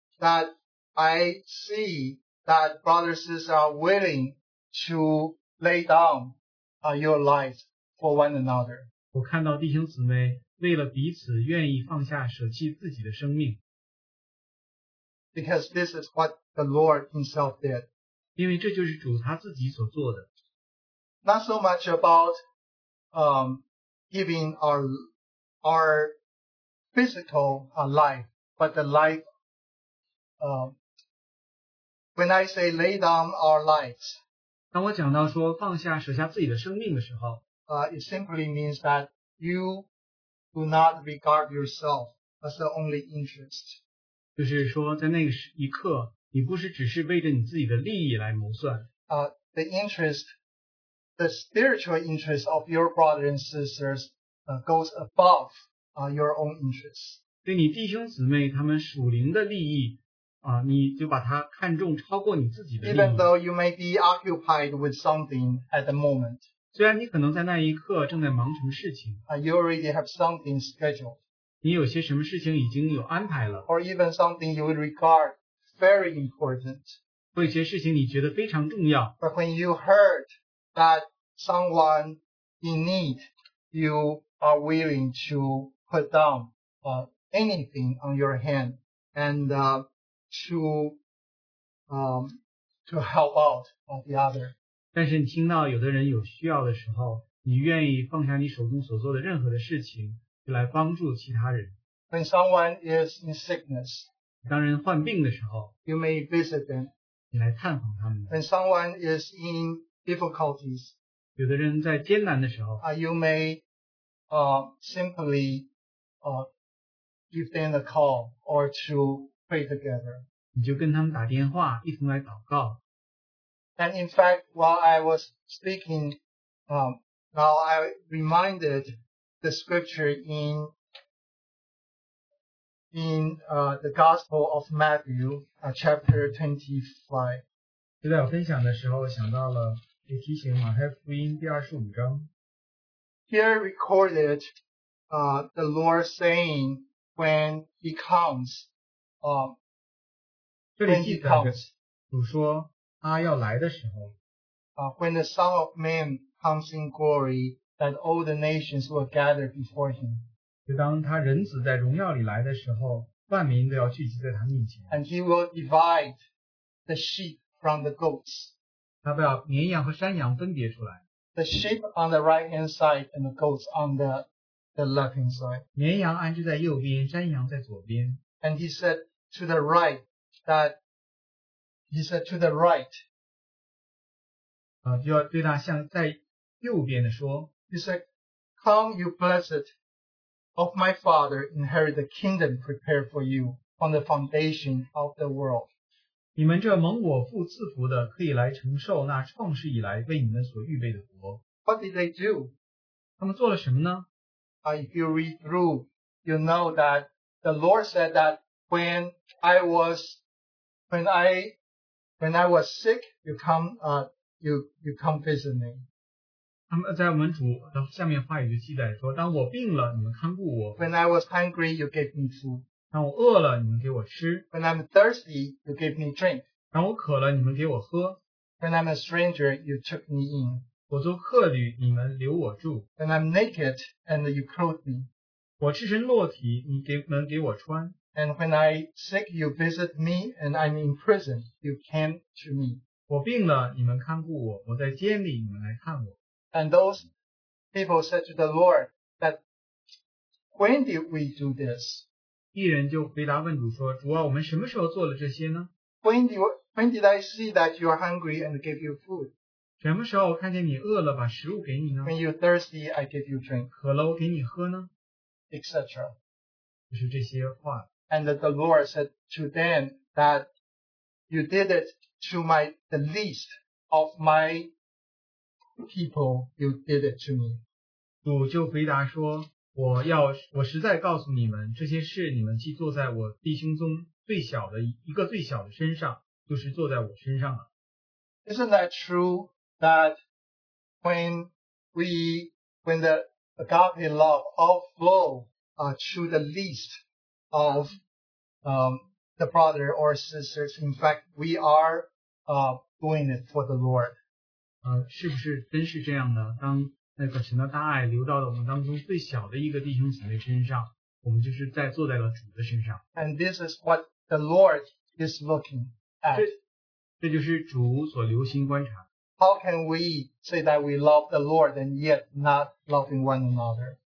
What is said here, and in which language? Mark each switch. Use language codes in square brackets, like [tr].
[en] that I see that brothers and sisters are willing to lay down your lives for one another. [zh] 我看到弟兄姊妹为了彼此愿意放下舍弃自己的生命。 [en] Because this is what the Lord himself did. [zh] 因为这就是主他自己所做的。 [en] Not so much about, giving our physical life, but the life, when I say lay down our lives. [zh] 当我讲到说放下舍下自己的生命的时候， [en] It simply means that you do not regard yourself as the only interest. [zh] 就是说在那一刻你不是只是为着你自己的利益来谋算。 [en] The interest, the spiritual interest of your brothers and sisters goes above your own interests. [zh] 对你弟兄姊妹他们属灵的利益你就把它看重超过你自己的利益。 [en] Even though you may be occupied with something at the moment. [zh] 虽然你可能在那一刻正在忙什么事情。 [en] You already have something scheduled. [zh] 你有些什么事情已经有安排了。 [en] Or even something you would regard very important. [zh] 或一些事情你觉得非常重要。 [en] But when you heard that someone in need, you are willing to put down anything on your hand and to help out the other. [zh] 但是你听到有的人有需要的时候，你愿意放下你手中所做的任何的事情，来帮助其他人。 [en] When someone is in sickness, [zh] 当人患病的时候， [en] you may visit them. [zh] 你来探访他们。 [en] When someone is in difficulties, [zh] 有的人在艰难的时候， [en] you may simply give them a call or to pray together. [zh] 你就跟他们打电话，一同来祷告。 [en] And in fact, while I was speaking, now I reminded the scripture in the Gospel of Matthew, chapter 25. [zh] 就在我分享的时候想到了也提醒马太福音第二十五章。 [en] Here recorded, the Lord saying when he comes, [zh] 这里记载着主说他要来的时候 [en] when the Son of Man comes in glory, that all the nations will gather before him. [zh] 就当他人子在荣耀里来的时候，万民都要聚集在他面前。 [en] And he will divide the sheep from the goats. [zh] 他把绵羊和山羊分别出来。 [en] The sheep on the right hand side and the goats on the left hand side. [zh] 绵羊安置在右边，山羊在左边。 [en] And he said to the right that He said to the right. [zh] 就要对他像在右边的说。 [en] He said, Come, you blessed of my Father, inherit the kingdom prepared for you from the foundation of the world. [zh] 你们这蒙我父赐福的，可以来承受那创世以来为你们所预备的国。 [en] What did they do? [zh] 他们做了什么呢？ [en] If you read through, you know that the Lord said that when I was sick, you come visit me. [zh] 在我们主的下面话语就记载说，当我病了，你们看顾我。 [en] When I was hungry, you gave me food. [zh] 当我饿了，你们给我吃。 [en] When I'm thirsty, you gave me drink. [zh] 当我渴了，你们给我喝。 [en] When I'm a stranger, you took me in. [zh] 我做客旅，你们留我住。 [en] When I'm naked, and you clothed me. [zh] 我赤身裸体，你们给我穿。 [en] And when I sick, you visit me, and I'm in prison, you came to me. [zh] 我病了，你们看顾我，我在监里，你们来看我。 [en] And those people said to the Lord, that when did we do this? [zh] 一人就回答问主说，主啊，我们什么时候做了这些呢？ [en] When did I see that you are hungry and give you food? [zh] 什么时候看见你饿了，把食物给你呢？ [en] When you're thirsty, I give you drink. [zh] 渴了，我给你喝呢？ [en] Etc. [zh] 就是这些话。 [en] And the Lord said to them that you did it to the least of my people, you did it to me. [zh] 主就回答说，我实在告诉你们，这些事你们既做在我弟兄中最小的一个最小的身上，就是做在我身上了。 [en] Isn't that true that when the agape love outflow to the least of the brother or sisters. In fact, we are doing it for the Lord. [zh] 是不是真是这样的？当那个神的大爱流到了我们当中最小的一个弟兄姊妹身上，我们就是在坐在了主的身上。 [en] And this is what the Lord is looking at. [zh] 这就是主所留心观察。 [en] How can we say that we love the Lord and yet not loving one another?